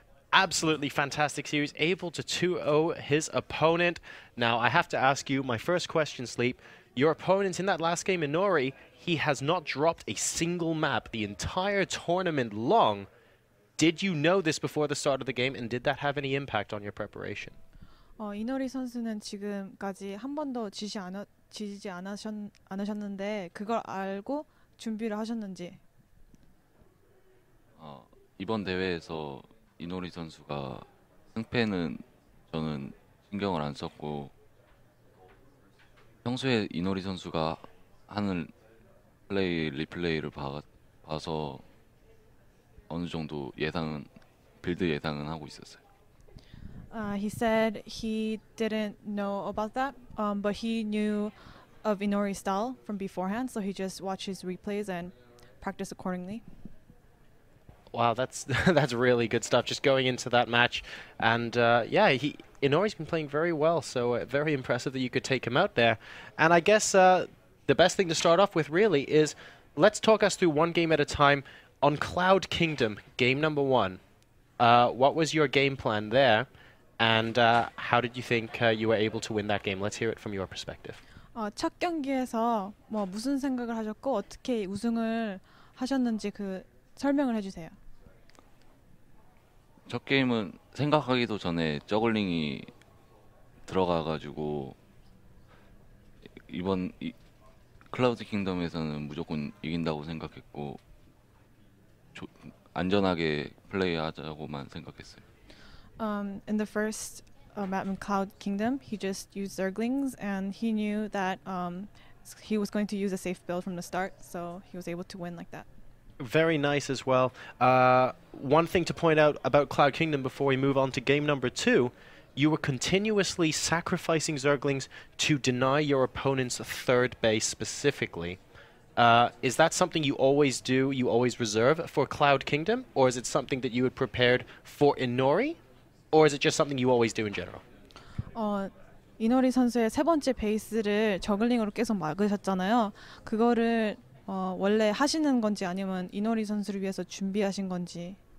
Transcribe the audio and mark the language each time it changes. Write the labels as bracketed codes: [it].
[en] Absolutely fantastic series, able to 2-0 his opponent. Now, I have to ask you my first question, Sleep. Your opponent in that last game, Inori, he has not dropped a single map the entire tournament long. Did you know this before the start of the game, and did that have any impact on your preparation? [ko] 이노리 선수는 지금까지 한 번도 지지 않으셨는데 그걸 알고 준비를 하셨는지? 이번 대회에서 이노리 선수가 승패는 저는 신경을 안 썼고 평소에 이노리 선수가 하는 플레이 리플레이를 봐서. 어느 정도 예상은 빌드 예상은 하고 있었어요. [en] He said he didn't know about that, but he knew of Inori's style from beforehand, so he just watches replays and practice accordingly. Wow, that's really good stuff. Just going into that match, and Inori's been playing very well, so very impressive that you could take him out there. And I guess the best thing to start off with really is let's talk us through one game at a time. On Cloud Kingdom, game number one, what was your game plan there, and how did you think you were able to win that game? Let's hear it from your perspective. [ko] 첫 경기에서 뭐 무슨 생각을 하셨고 어떻게 우승을 하셨는지 그 설명을 해주세요. 첫 게임은 생각하기도 전에 저글링이 들어가가지고 이번 클라우드 킹덤에서는 무조건 이긴다고 생각했고 안전하게 플레이하자고만 생각했어요. [en] In the first map in Cloud Kingdom, he just used Zerglings, and he knew that he was going to use a safe build from the start, so he was able to win like that. Very nice as well. One thing to point out about Cloud Kingdom before we move on to game number two, you were continuously sacrificing Zerglings to deny your opponent's third base specifically. Is that something you always do, you always reserve for Cloud Kingdom? Or is it something that you had prepared for Inori? Or is it just something you always do in general? [ko] 이노리 선수의 세 번째 베이스를 저글링으로 계속 막으셨잖아요. 그거를 원래 하시는 건지 아니면 이노리 선수를 위해서 준비하신 건지.